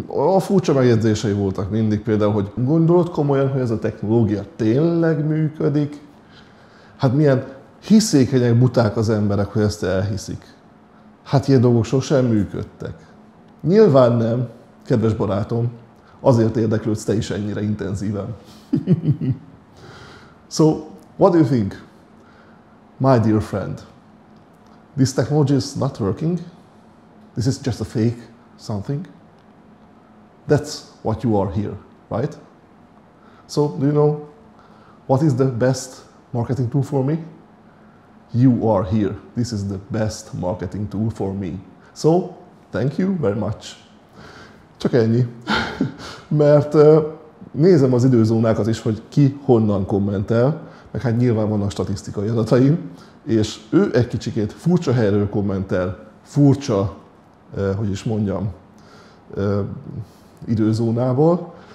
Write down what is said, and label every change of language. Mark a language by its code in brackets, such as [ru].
[hu] A furcsa megjegyzései voltak mindig, például, hogy gondolod komolyan, hogy ez a technológia tényleg működik? Hát milyen hiszékenyek, buták az emberek, hogy ezt elhiszik. Hát ilyen dolgok sosem működtek. Nyilván nem, kedves barátom, azért érdeklődsz te is ennyire intenzíven. [en] So, what do you think? My dear friend, this technology is not working. This is just a fake something. That's what you are here, right? So, do you know what is the best marketing tool for me? You are here. This is the best marketing tool for me. So, thank you very much. [hu] Csak ennyi. Mert nézem az időzónákat is, hogy ki honnan kommentel, meg hát nyilván vannak statisztikai adataim, és ő egy kicsikét furcsa helyről kommentel, furcsa, hogy is mondjam, időzónából.